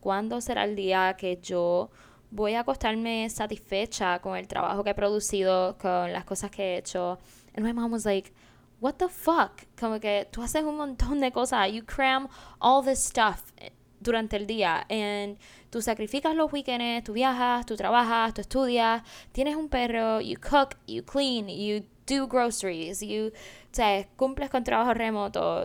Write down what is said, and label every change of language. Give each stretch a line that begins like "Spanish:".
Spanish: ¿Cuándo será el día que yo voy a acostarme satisfecha con el trabajo que he producido, con las cosas que he hecho?
English: And my mom was like, what the fuck?
Spanish: Como que tú haces un montón de cosas.
English: You cram all this stuff
Spanish: durante el día. And tú sacrificas los weekends. Tú viajas, tú trabajas, tú estudias. Tienes un perro.
English: You cook, you clean, you do groceries. You,
Spanish: te cumples con trabajo remoto.